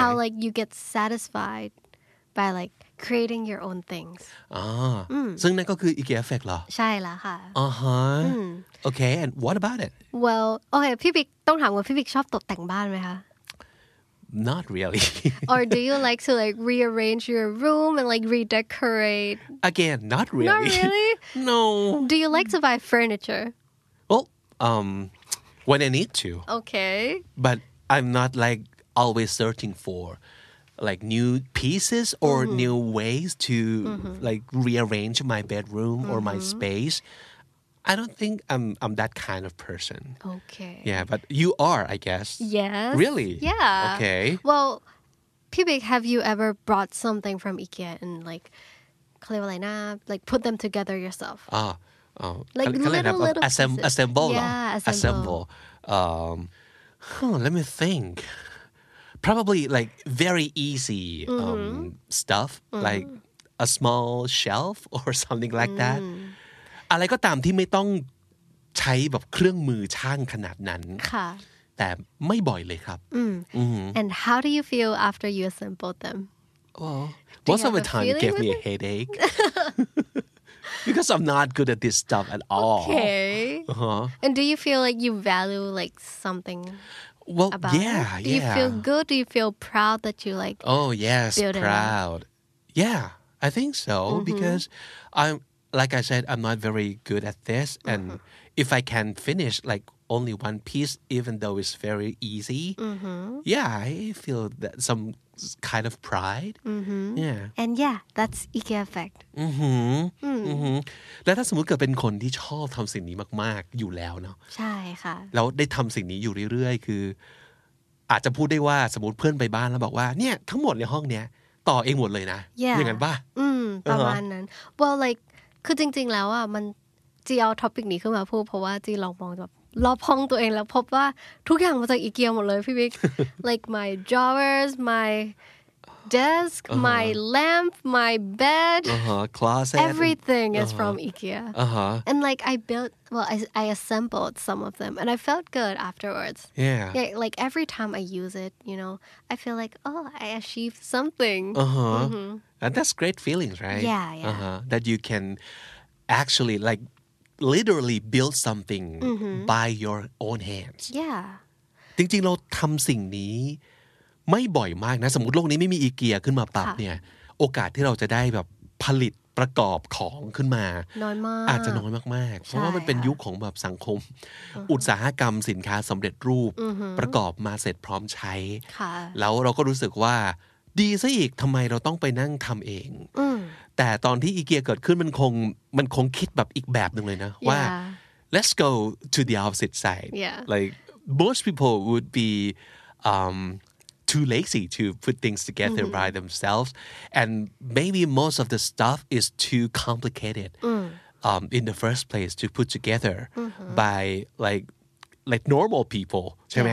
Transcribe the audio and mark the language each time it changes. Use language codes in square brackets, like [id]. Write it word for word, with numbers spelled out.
[en] how like you get satisfied by like creating your own things [th] อ๋อซึ่งนั่นก็คือ IKEA effect เหรอ ใช่แล้วค่ะ [en] อ่าฮะ okay and what about it [th] well okay พี่บิ๊กต้องถามว่าพี่บิ๊กชอบตกแต่งบ้านไหมคะ [en] not really or do you like to like rearrange your room and like redecorate again not really not really no do you like to buy furniture well um when I need to okay but I'm not like always searching for like new pieces or mm-hmm. new ways to mm-hmm. like rearrange my bedroom mm-hmm. or my space. I don't think I'm I'm that kind of person. Okay. Yeah, but you are, I guess. Yes. Really? Yeah. Okay. Well, Pibik, have you ever brought something from IKEA and like like put them together yourself? Ah. Oh, like little little, little assemble assemble. Yeah, assemble. Um huh, let me think. Probably like very easy um, mm-hmm. stuff mm-hmm. like a small shelf or something like mm-hmm. that. [th] อะไรก็ตามที่ไม่ต้องใช้แบบเครื่องมือช่างขนาดนั้น ค่ะ แต่ไม่บ่อยเลยครับ [en] And how do you feel after you assembled them? Well, most of the time it gave me a headache because I'm not good at this stuff at all. Okay. Uh-huh. And do you feel like you value like something? Well, about yeah, it? Do you yeah. feel good? Do you feel proud that you like? Oh yes, build it proud. up? Yeah, I think so Mm-hmm. because I'm like I said, I'm not very good at this, and Mm-hmm. if I can finish like only one piece, even though it's very easy, Mm-hmm. yeah, I feel that some kind of pride. Mm-hmm. Yeah. And yeah, that's IKEA effect. อือหือ Mm. [th] อือหือแล้วถ้าสมมุติเกิดเป็นคนที่ชอบทำสิ่งนี้มากๆอยู่แล้วเนาะ ใช่ค่ะ แล้วได้ทำสิ่งนี้อยู่เรื่อยๆคืออาจจะพูดได้ว่าสมมติเพื่อนไปบ้านแล้วบอกว่าเนี่ยทั้งหมดในห้องเนี้ยต่อเองหมดเลยนะ [en] Yeah. [th] อย่างนั้นป่ะ อืมประมาณนั้น well like คือจริงๆแล้วอ่ะมันจีเอาท็อปิกนี้ขึ้นมาพูดเพราะว่าจีลองมองแบบรอบห้องตัวเองแล้วพบว่าทุกอย่างมาจากอีเกียหมดเลยพี่บิ๊ก [en] like my drawers my desk Uh-huh. my lamp my bed อ่าฮะ closet everything is Uh-huh. from IKEA อ่าฮะ and like I built well I, I assembled some of them and I felt good afterwards yeah yeah like every time I use it you know I feel like oh I achieved something อ่าฮะ Mhm. and that's great feelings right Yeah, yeah. อ่าฮะ that you can actually like literally build something by your own hands yeah [th] จริงๆเราทำสิ่งนี้ไม่บ่อยมากนะสมมติโลกนี้ไม่มีอีเกียขึ้นมาปั๊บ ค่ะ เนี่ยโอกาสที่เราจะได้แบบผลิตประกอบของขึ้นมา น้อยมาก อาจจะน้อยมากๆเพราะว่ามันเป็นยุคของแบบสังคม อุตสาหกรรมสินค้าสำเร็จรูป อือฮึ ประกอบมาเสร็จพร้อมใช้ ค่ะ แล้วเราก็รู้สึกว่าดีซะอีกทำไมเราต้องไปนั่งทำเอง อืม แต่ตอนที่อีเกียเกิดขึ้นมันคงมันคงคิดแบบอีกแบบหนึ่งเลยนะว่า [en] Yeah. let's go to the opposite side Yeah. like most people would be um, too lazy to put things together by themselves and maybe most of the stuff is too complicated um, in the first place to put together by like like normal people ใช่ไหม